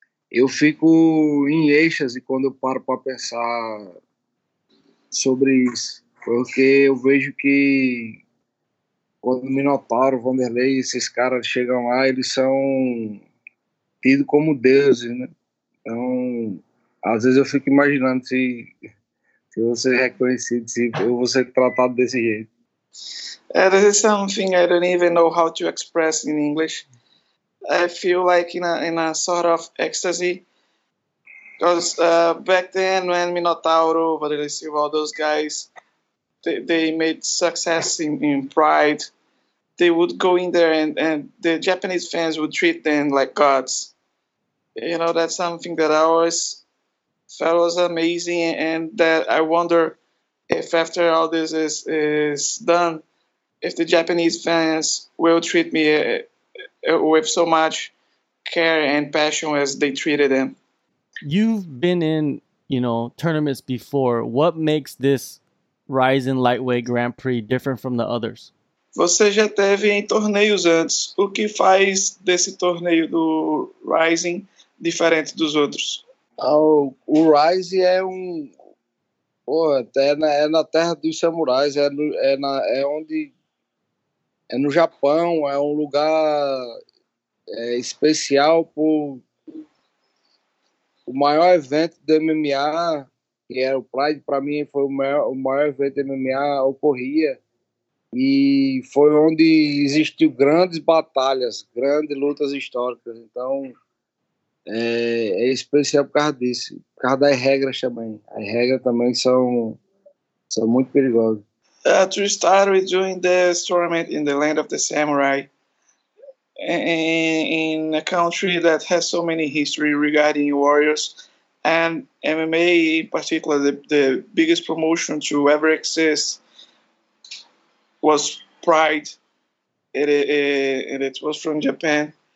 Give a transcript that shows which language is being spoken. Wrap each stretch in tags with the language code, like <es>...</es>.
<pt>Eu fico em êxtase quando eu paro para pensar sobre isso, porque eu vejo que quando Minotauro, Vanderlei, esses caras chegam lá, eles são tidos como deuses, né? Então, às vezes eu fico imaginando se eu vou ser reconhecido, se eu vou ser tratado desse jeito.</pt> <en>This is something I don't even know how to express in English. I feel like in a sort of ecstasy. Because back then when Minotauro, Vanderlei Silva, all those guys, they made success in Pride, they would go in there and the Japanese fans would treat them like gods. You know, that's something that I always felt was amazing and that I wonder if after all this is done, if the Japanese fans will treat me with so much care and passion as they treated them. You've been in, you know, tournaments before. What makes this Ryzen Lightweight Grand Prix different from the others?</en> <pt>Você já teve em torneios antes. O que faz desse torneio do Ryzen diferente dos outros? O Ryzen é Pô, é na terra dos samurais, é no Japão, é um lugar especial o maior evento do MMA, que era o Pride, para mim foi o maior evento do MMA, ocorria. E foi onde existiu grandes batalhas, grandes lutas históricas. Então, é especial por causa disso, por causa das regras também. As regras também são muito perigosas.</pt> <en>To start with doing this tournament in the land of the samurai, in a country that has so many history regarding warriors, and MMA in particular, the biggest promotion to ever exist was Pride, and it was from Japan.</en>